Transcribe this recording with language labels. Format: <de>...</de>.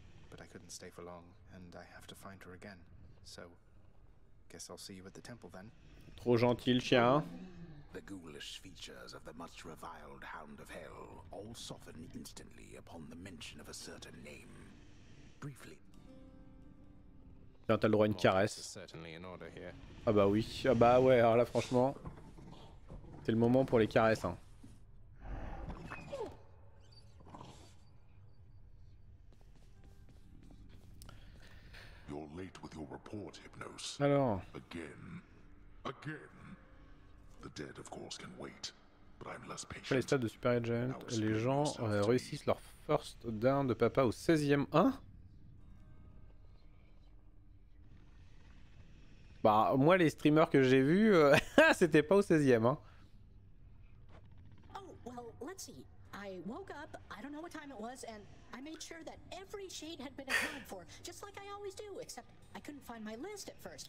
<en>But I couldn't stay for long, and I have to find her again. So, guess I'll see you at the temple then.</en> <fr>Trop gentil, chien.</fr> <en>The ghoulish features of the much-reviled Hound of Hell all soften instantly upon the mention of a certain name. Briefly.</en> <fr>Là, t'as le droit à une caresse. Ah bah oui, ah bah ouais, alors là franchement, c'est le moment pour les caresses. Hein.</fr> <en>You're late with your report, Hypnos.</en> <fr>Alors.</fr> <en>Again. The dead, of course, can wait, but I'm less patient.</en> <fr>Après les stats de Super Agent, les gens réussissent leur first down de papa au 16ème. Hein? Bah, moi, les streamers que j'ai vus, c'était pas au 16ème, hein.</fr> <en>Oh, well, let's see. I woke up, I don't know what time it was, and I made sure that every shade had been accounted for, just like I always do, except I couldn't find my list at first.</en>